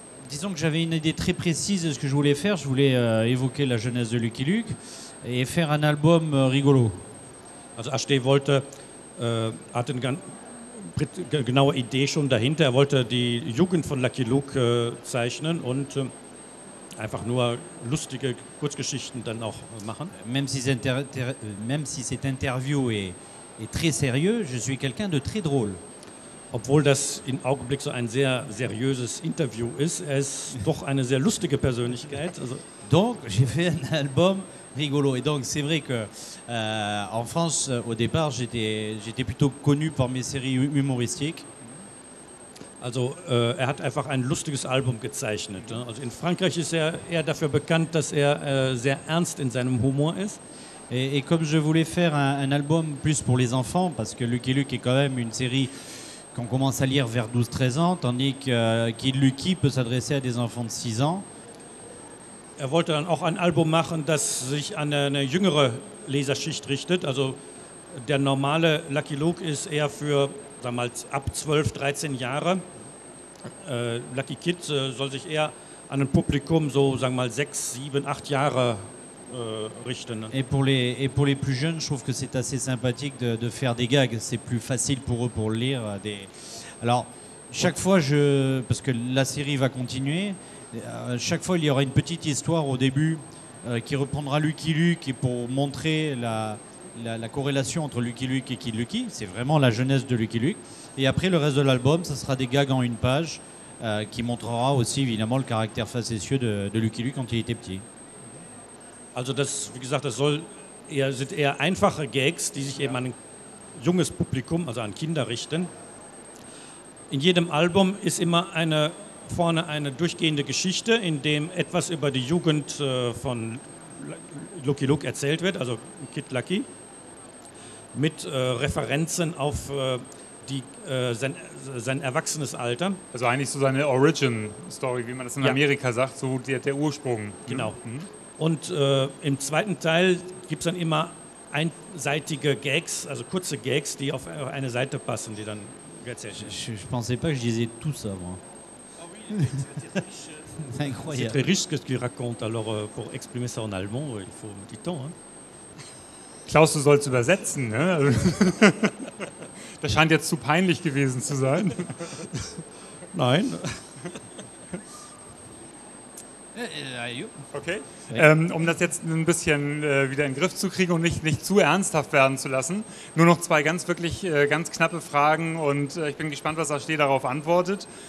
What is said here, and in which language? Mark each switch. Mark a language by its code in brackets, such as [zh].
[fr] Disons que j'avais une idée très précise de ce que je voulais faire. Je voulais évoquer la jeunesse de Lucky Luke et faire un album rigolo. [de] Also HD wollte, hat eine ganz genaue Idee schon dahinter. Er wollte die Jugend von Lucky Luke zeichnen und einfach nur lustige Kurzgeschichten dann auch machen. [fr] Même si cette interview est très sérieux, je suis quelqu'un de très drôle. [de] Obwohl das im Augenblick so ein sehr seriöses Interview ist, er ist doch eine sehr lustige Persönlichkeit. Also [fr] donc, j'ai fait un album rigolo. Et donc, c'est vrai que en France, au départ, j'étais plutôt connu par mes séries humoristiques. [de] Also, er hat einfach ein lustiges Album gezeichnet. Also in Frankreich ist er eher dafür bekannt, dass er sehr ernst in seinem Humor ist. [fr] Et comme je voulais faire un album plus pour les enfants, parce que Lucky Luke est quand même une série qu'on commence à lire vers 12-13 ans, tandis que Kid Lucky peut s'adresser à des enfants de 6 ans. [de] Er wollte dann auch ein Album machen, das sich an eine jüngere Leserschicht richtet. Also der normale Lucky Luke ist eher für, sagen wir, ab 12, 13 Jahre. Lucky Kid soll sich eher an ein Publikum so, sagen wir mal, 6, 7, 8 Jahre richten. [fr] Et pour les plus jeunes, je trouve que c'est assez sympathique de faire des gags. C'est plus facile pour eux pour lire des. Alors chaque fois, parce que la série va continuer, chaque fois il y aura une petite histoire au début qui reprendra Lucky Luke et pour montrer la corrélation entre Lucky Luke et Kid Lucky. C'est vraiment la jeunesse de Lucky Luke. Et après le reste de l'album, ça sera des gags en une page qui montrera aussi évidemment le caractère facétieux de Lucky Luke quand il était petit. [de] Also das, wie gesagt, das soll eher, sind eher einfache Gags, die sich eben an ein junges Publikum, also an Kinder richten. In jedem Album ist immer vorne eine durchgehende Geschichte, in dem etwas über die Jugend von Lucky Luke erzählt wird, also Kid Lucky, mit Referenzen auf sein erwachsenes Alter. Also eigentlich so seine Origin-Story, wie man das in Amerika sagt, so der Ursprung. Genau. Mhm. Und im zweiten Teil gibt es dann immer einseitige Gags, also kurze Gags, die auf eine Seite passen, die dann erzählt werden. [fr] Je pensais pas que je disais tout ça, moi. C'est incroyable. C'est très riche ce que tu racontes. Alors, pour exprimer ça en allemand, il faut un petit temps. Hein? [de] Klaus, du sollst übersetzen. Ne? Das scheint jetzt zu peinlich gewesen zu sein. Nein. Okay, um das jetzt ein bisschen wieder in den Griff zu kriegen und nicht zu ernsthaft werden zu lassen, nur noch zwei ganz wirklich ganz knappe Fragen und ich bin gespannt, was HD darauf antwortet.